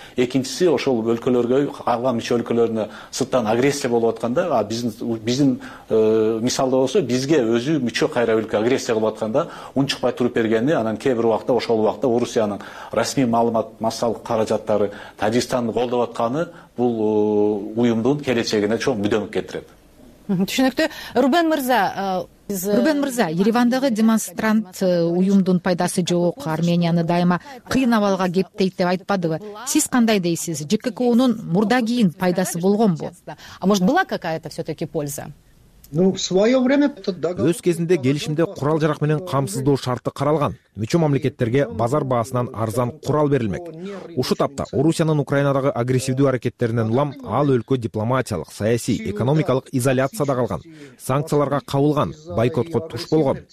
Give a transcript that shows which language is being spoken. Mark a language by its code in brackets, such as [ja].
[ky] Экинчиси ошол өлкөлөргө, калган мүчө өлкөлөрүнө сырттан агрессия болуп атканда, биздин мисалда болсо, бизге өзү мүчө кайра өлкө агрессия кылып атканда унчукпай туруп бергени, анан кээ бир убакта ошол убакта Орусиянын расмий маалымат массалык каражаттары Тажикстанды колдоп атканы бул уюмдун келечегине чоң мүдөмүк кетирет. Түшүнүктүү. Рубен мырза, Рубен мырза, Еревандагы демонстрант уюмдун пайдасы жок, Арменияны дайыма кыйын абалга кептейт деп айтпадыбы? Сиз кандай дейсиз? ЖКК-нун мурда кийин пайдасы болгонбу? [ru] А может, была какая-то всё-таки польза? Ну, в своё время [ky] өз кезинде келишимде курал-жарак менен камсыздоо шарты каралган. Мүчө мамлекеттерге базар баасынан арзан курал берилмек. Ушу тапта Орусиянын Украинадагы агрессивдүү аракеттеринен улам ал өлкө дипломатиялык, саясий, экономикалык изоляцияда калган, санкцияларга кабылган, бойкотко туш болгон.